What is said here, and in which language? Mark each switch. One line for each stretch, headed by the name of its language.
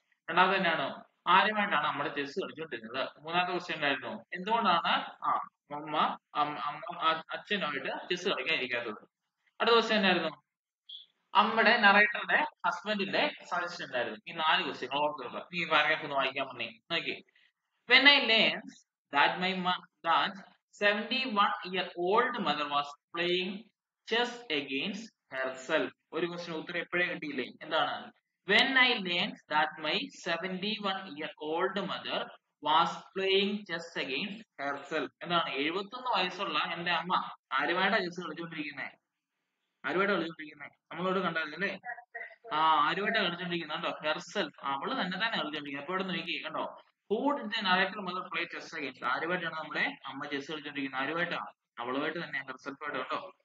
Malayalam: രണ്ടാമത് തന്നെയാണ് ആരുമായിട്ടാണ് നമ്മുടെ ചെസ് കളിച്ചോണ്ടിരുന്നത്. മൂന്നാമത്തെ ക്വസ്റ്റ്യൻ ഉണ്ടായിരുന്നു എന്തുകൊണ്ടാണ് അമ്മ അമ്മ അച്ഛനുമായിട്ട് ചെസ് കളിക്കാൻ ഇരിക്കാത്തത്. അടുത്ത ക്വസ്റ്റ്യൻ ഉണ്ടായിരുന്നു അമ്മയുടെ നറേറ്ററുടെ ഹസ്ബൻഡിന്റെ സജഷൻ ഉണ്ടായിരുന്നു. ഈ നാല് ക്വസ്റ്റ്യൻ ഓർത്തിട്ടുള്ള ഈ പാരഗ്രാഫ് ഒന്ന് വായിക്കാൻ പറഞ്ഞു നോക്കി.
English: When I learned that my that 71 year old mother was playing chess against herself.
Malayalam: ഒരു ക്വസ്റ്റ്യൻ ഉത്തരം എപ്പോഴേ കിട്ടിയില്ലേ? എന്താണ്
English: When I learned that my 71 year old mother was playing chess against herself.
Malayalam: എന്താണ് 71 വയസ്സുള്ള എന്റെ അമ്മ ആരുമായിട്ടാണ് ചെസ് കളിച്ചുകൊണ്ടിരിക്കുന്നത്? നമ്മളോട് കണ്ടായിരുന്നല്ലേ, ആ ആരുമായിട്ടാണ് കളിച്ചോണ്ടിരിക്കുന്നത് കേട്ടോ. ഹെർസെൽഫ് അവള് തന്നെ തന്നെ കളിച്ചോണ്ടിരിക്കുന്നത്. അപ്പൊ ഇവിടെ നോക്കി കണ്ടോ,
English: Who'd narrator mother play chess against.
Malayalam: ആരുമായിട്ടാണ് നമ്മുടെ അമ്മ ചെസ് കളിച്ചോണ്ടിരിക്കുന്നത്? ആരുമായിട്ടാ? അവളുമായിട്ട് തന്നെ, ഹെർസെൽഫ് ആയിട്ട് കണ്ടോ.